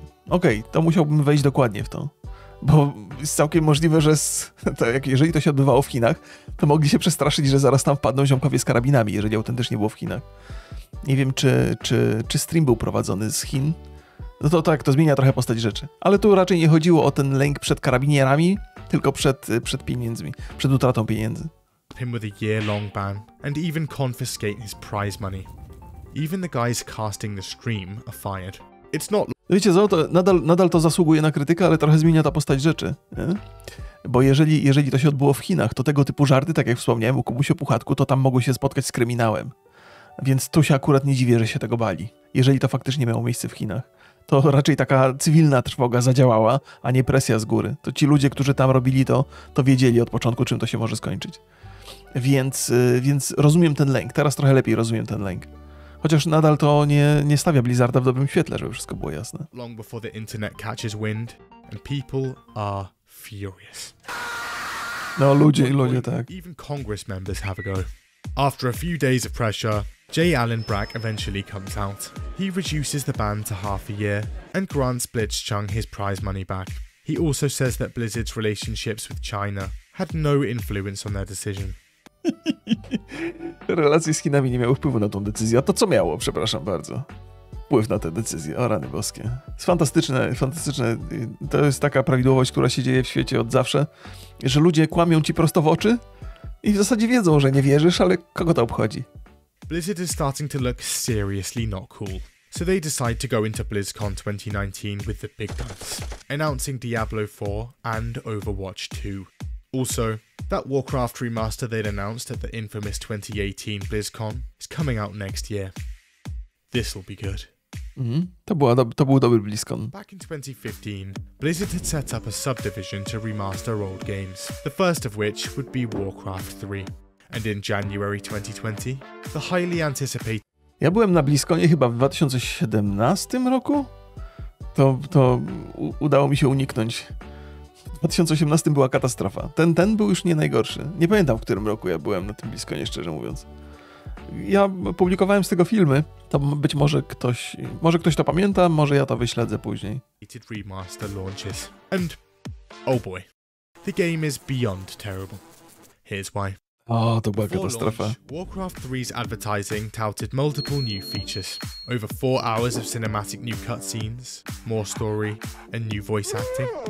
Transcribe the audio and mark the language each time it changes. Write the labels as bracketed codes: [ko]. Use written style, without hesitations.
[pl] Okej, to musiałbym wejść dokładnie w to. Bo jest całkiem możliwe, że jeżeli to się odbywało w Chinach, to mogli się przestraszyć, że zaraz tam wpadną ziomkowie z karabinami, jeżeli autentycznie było w Chinach. Nie wiem, czy stream był prowadzony z Chin. No to tak, to zmienia trochę postać rzeczy. Ale tu raczej nie chodziło o ten lęk przed karabinierami, tylko przed pieniędzmi, przed utratą pieniędzy. [en] Him with a year-long ban and even confiscate his prize money. Even the guys casting the stream are fired. It's not... [pl] Wiecie co, to nadal to zasługuje na krytykę, ale trochę zmienia ta postać rzeczy, nie? Bo jeżeli to się odbyło w Chinach, to tego typu żarty, tak jak wspomniałem, u Kubusia Puchatku, to tam mogły się spotkać z kryminałem. Więc tu się akurat nie dziwię, że się tego bali. Jeżeli to faktycznie miało miejsce w Chinach, to raczej taka cywilna trwoga zadziałała, a nie presja z góry. To ci ludzie, którzy tam robili to wiedzieli od początku, czym to się może skończyć. Więc rozumiem ten lęk, teraz trochę lepiej rozumiem ten lęk. Chociaż nadal to nie stawia Blizzarda w dobrym świetle, żeby wszystko było jasne. [en] Long before the internet catches wind and people are furious. [pl] No ludzie tak. [en] Even Congress members have a go. After a few days of pressure, J. Allen Brack eventually comes out. He reduces the ban to half a year and grants Blitzchung his prize money back. He also says that Blizzard's relationships with China had no influence on their decision. [pl] Relacje z Chinami nie miały wpływu na tą decyzję. A to co miało, przepraszam bardzo? Wpływ na tę decyzję, o rany boskie. Jest fantastyczne, fantastyczne. To jest taka prawidłowość, która się dzieje w świecie od zawsze, że ludzie kłamią ci prosto w oczy i w zasadzie wiedzą, że nie wierzysz, ale kogo to obchodzi? [en] Blizzard is starting to look seriously not cool. So they decide to go into BlizzCon 2019 with the big guns, announcing Diablo 4 and Overwatch 2. Also, that Warcraft remaster they'd announced at the infamous 2018 BlizzCon is coming out next year. This'll be good. [pl] Mm-hmm. To był dobry BlizzCon. [en] Back in 2015, Blizzard had set up a subdivision to remaster old games, the first of which would be Warcraft 3. And in January 2020, the highly anticipated... [pl] Ja byłem na BlizzConie chyba w 2017 roku? To udało mi się uniknąć. W 2018 była katastrofa. Ten był już nie najgorszy. Nie pamiętam, w którym roku ja byłem na tym BlizzConie, szczerze mówiąc. Ja publikowałem z tego filmy. To być może ktoś to pamięta, może ja to wyśledzę później. [en] Remaster launches. And oh boy. The game is beyond terrible. Here's why. [pl] O, to była katastrofa. [en] Warcraft 3's advertising touted multiple new features. Over 4 hours of cinematic new cutscenes, more story and new voice acting.